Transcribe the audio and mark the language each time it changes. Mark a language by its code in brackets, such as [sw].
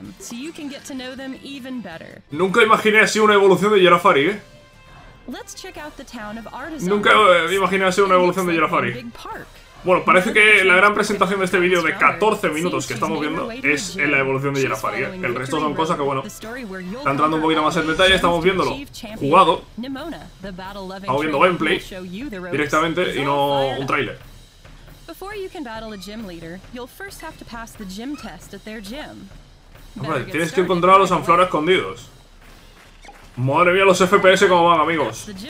[en] So you can get to know them even better. [es] Nunca imaginé así una evolución de Girafarig, eh. [en] Let's check out the town of Artisan. [es] Nunca imaginé así una evolución de Girafari. Bueno, parece que la gran presentación de este vídeo de 14 minutos que estamos viendo es en la evolución de Girafari. El resto son cosas que, bueno, está entrando un poquito más en detalle. Estamos viéndolo jugado. Estamos viendo gameplay directamente y no un tráiler. [en] Before you can battle a gym leader, you'll first have to pass the gym test at their gym. [es] Hombre, tienes que encontrar a los Anflora escondidos. Madre mía, los FPS como van, amigos.